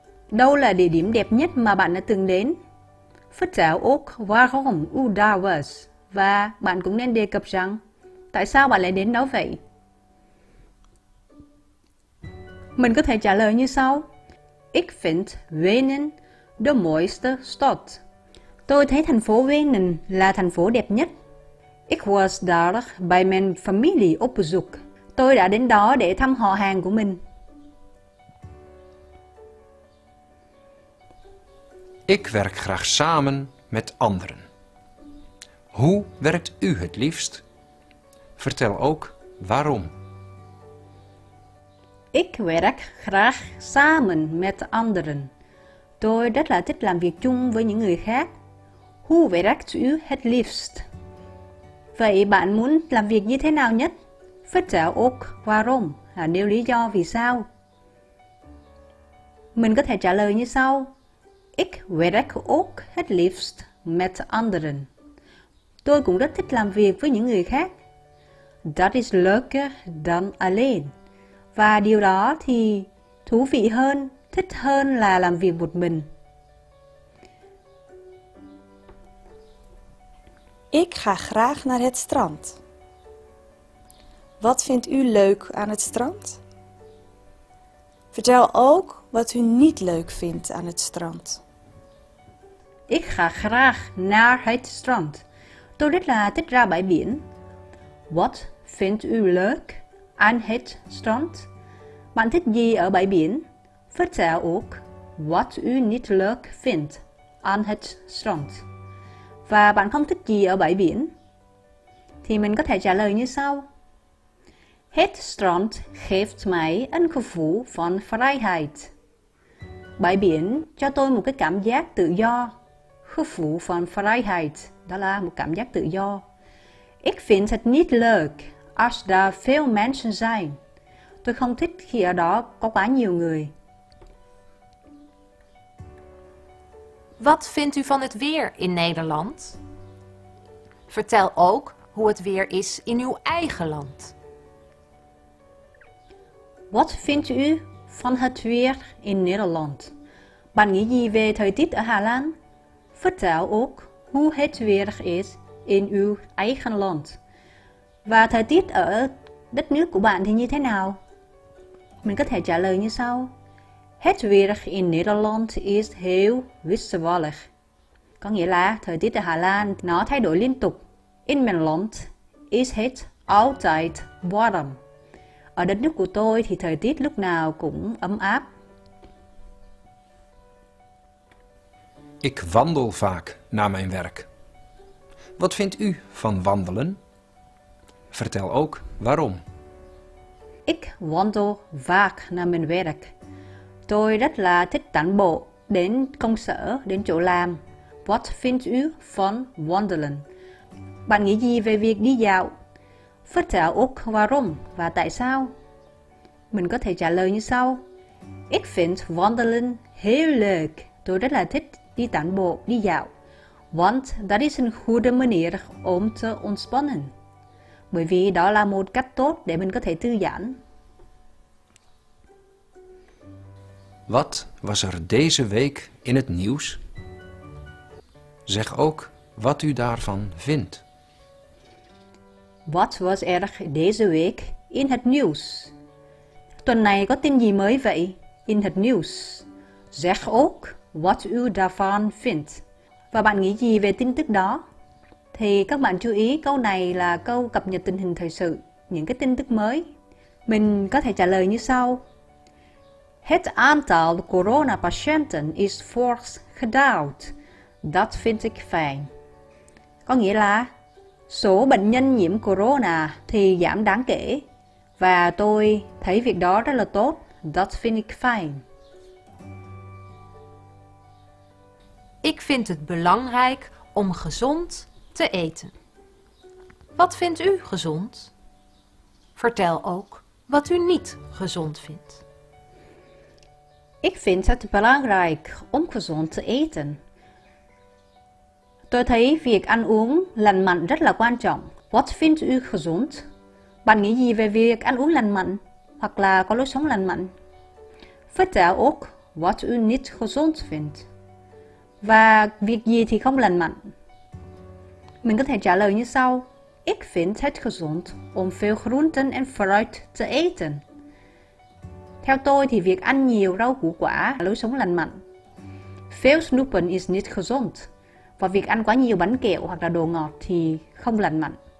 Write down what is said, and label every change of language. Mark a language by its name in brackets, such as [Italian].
[Vietnamese] Đâu là địa điểm đẹp nhất mà bạn đã từng đến? [Dutch] Vertel ook waarom u daar was. [Vietnamese] Và bạn cũng nên đề cập rằng tại sao bạn lại đến đó vậy? Mình có thể trả lời như sau. [Dutch] Ik vind Wenen de mooiste stad. [Vietnamese] Tôi thấy thành phố Wenen là thành phố đẹp nhất. [Dutch] Ik was daar bij mijn familie op bezoek. [Vietnamese] Tôi đã đến đó để thăm họ hàng của mình. [Dutch] Ik werk graag samen met anderen. Hoe werkt u het liefst? Vertel ook waarom. Ik werk graag samen met anderen. [Vietnamese] Tôi rất là thích làm việc chung với những người khác. [Dutch] Hoe werkt u het liefst? [Vietnamese] Vậy bạn muốn làm việc như thế nào nhất? [Dutch] Vertel ook waarom. [Vietnamese] Nêu lý do vì sao. Mình có thể trả lời như sau. [Dutch] Ik werk ook het liefst met anderen. [Vietnamese] Tôi cũng rất thích làm việc với những người khác. [Dutch] Dat is leuker dan alleen. [Vietnamese] Và điều đó thì thú vị hơn, thích hơn là làm việc một mình. [Dutch] Ik ga graag naar het strand. Wat vindt u leuk aan het strand? Vertel ook wat u niet leuk vindt aan het strand. Ik ga graag naar het strand. [Vietnamese] Tôi rất là thích ra bãi biển. [Dutch] Wat vindt u leuk aan het strand? [Vietnamese] Bạn thích gì ở bãi biển? [Dutch] Vertel ook wat u niet leuk vindt aan het strand. [Vietnamese] Và bạn không thích gì ở bãi biển? Thì mình có thể trả lời như sau. [Dutch] Het strand geeft mij een gevoel van vrijheid. [Vietnamese] Bãi biển cho tôi một cái cảm giác tự do. [Dutch] Gevoel van vrijheid. [Vietnamese] Đó là một cảm giác tự do. [Dutch] Ik vind het niet leuk als daar veel mensen zijn. [Vietnamese] Tôi không thích khi ở đó có quá nhiều người. [Dutch] Wat vindt u van het weer in Nederland? Vertel ook hoe het weer is in uw eigen land. Wat vindt u van het weer in Nederland? [Vietnamese] Bạn nghĩ gì về thời tiết ở Hà Lan? [Dutch] Vertel ook hoe het weer is in uw eigen land. [Vietnamese] Và thời tiết ở đất nước của bạn thì như thế nào? Mình có thể trả lời như sau. [Dutch] Het weer in Nederland is heel wisselvallig. [Vietnamese] Có nghĩa là thời tiết ở Hà Lan nó thay đổi liên tục. [Dutch] In mijn land is het altijd warm. [Vietnamese] Ở đất nước của tôi thì thời tiết lúc nào cũng ấm áp. [Dutch] Ik wandel vaak naar mijn werk. Wat vindt u van wandelen? Vertel ook waarom. Ik wandel vaak naar mijn werk. [Vietnamese] Tôi rất là thích tản bộ đến công sở, đến chỗ làm. [Dutch] What vindt u van wandelen? [Vietnamese] Bạn nghĩ gì về việc đi dạo? [Dutch] Vertel ook waarom [Vietnamese] và tại sao? Mình có thể trả lời như sau. [Dutch] Ik vind wandelen heel leuk. [Vietnamese] Tôi rất là thích đi tản bộ, đi dạo. [Dutch] Want dat is een goede manier om te ontspannen. [Vietnamese] Bởi vì đó là một cách tốt để mình có thể thư giãn. [Dutch] Wat was er deze week in het nieuws? Zeg ook wat u daarvan vindt. Wat was er deze week in het nieuws? [Vietnamese] Tuần này có tin gì mới vậy? [Dutch] In het nieuws. Zeg ook wat u daarvan vindt. [Vietnamese] Và bạn nghĩ gì về tin tức đó? Thì các bạn chú ý câu này là câu cập nhật tình hình thời sự, những cái tin tức mới. Mình có thể trả lời như sau. [Dutch] Het aantal coronapatiënten is fors gedaald. Dat vind ik fijn. [Vietnamese] Có nghĩa là số bệnh nhân nhiễm corona thì giảm đáng kể. Và tôi thấy việc đó rất là tốt. [Dutch] Dat vind ik fijn. Ik vind het belangrijk om gezond te eten. Wat vindt u gezond? Vertel ook wat u niet gezond vindt. Ik vind het belangrijk om gezond te eten. [Vietnamese] Tôi thấy việc ăn uống lành mạnh rất là quan trọng. [Dutch] Wat vindt u gezond? [Vietnamese] Bạn nghĩ gì về việc ăn uống lành mạnh hoặc là có lối sống lành mạnh? [Dutch] Vertel ook wat u niet gezond vindt. [Vietnamese] Và việc gì thì không lành mạnh? Mình có thể trả lời như sau. [Dutch] Ik vind het gezond om veel groenten en fruit te eten. [Vietnamese] Theo tôi thì việc ăn nhiều rau củ quả là lối sống lành mạnh. [Dutch] Veel snoepen is niet gezond. [Vietnamese] Và việc ăn quá nhiều bánh kẹo hoặc là đồ ngọt thì không lành mạnh.